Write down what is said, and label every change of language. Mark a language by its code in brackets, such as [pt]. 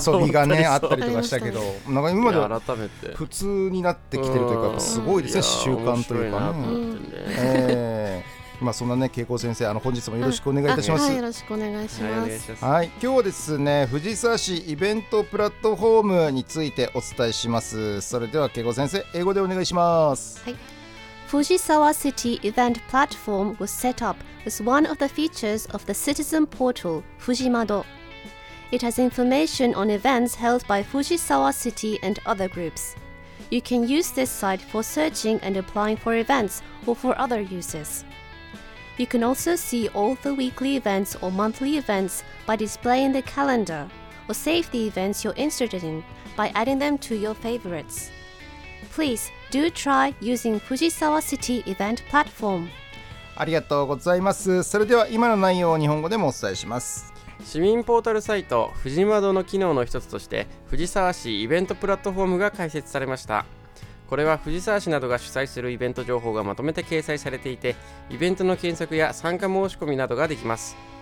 [ja] 遊びがねあったりとかしたけど、なんか今まで改めて普通になってきてるというか、すごいですね、習慣というか。まあそんなね、恵子先生、本日もよろしくお願いいたします。はい、よろしくお願いします。はい、今日はですね、藤沢市イベントプラットフォームについてお伝えします。それでは恵子先生、英語でお願いします。はい。 [en] Fujisawa City Event Platform was set up as one of the features of the citizen portal Fujimado. It has information on events held by Fujisawa City and other groups. You can use this site for searching and applying for events or for other uses. You can also see all the weekly events or monthly events by displaying the calendar, or save the events you're interested in by adding them to your favorites. Please do try using Fujisawa City Event Platform. [ja] ありがとうございます。それでは今の内容を日本語でもお伝えします。市民ポータルサイト藤窓の機能の一つとして藤沢市イベントプラットフォームが開設されました。これは藤沢市などが主催するイベント情報がまとめて掲載されていて、イベントの検索や参加申し込みなどができます。